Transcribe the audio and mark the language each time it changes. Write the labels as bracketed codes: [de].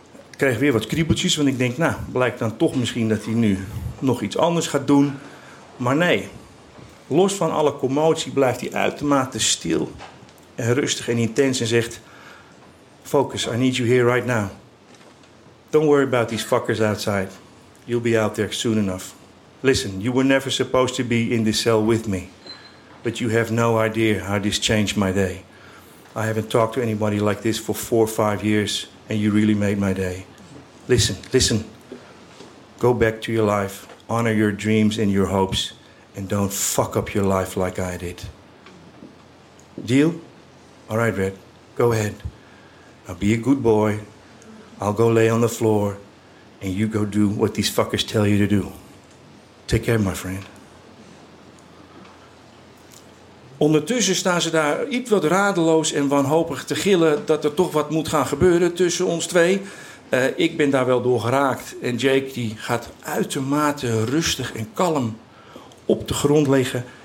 [nl] Ik kreeg weer wat kriebeltjes, want ik denk, nou, blijkt dan toch misschien dat hij nu nog iets anders gaat doen. Maar nee, los van alle commotie blijft hij uitermate stil en rustig en intens en zegt, focus, [en] I need you here right now. Don't worry about these fuckers outside. You'll be out there soon enough. Listen, you were never supposed to be in this cell with me. But you have no idea how this changed my day. I haven't talked to anybody like this for 4 or 5 years. And you really made my day. Listen. Go back to your life. Honor your dreams and your hopes. And don't fuck up your life like I did. Deal? All right, Red. Go ahead. Now be a good boy. I'll go lay on the floor and you go do what these fuckers tell you to do. Take care, my friend. [nl] Ondertussen staan ze daar iets wat radeloos en wanhopig te gillen dat er toch wat moet gaan gebeuren tussen ons twee. Ik ben daar wel door geraakt en Jake die gaat uitermate rustig en kalm op de grond liggen.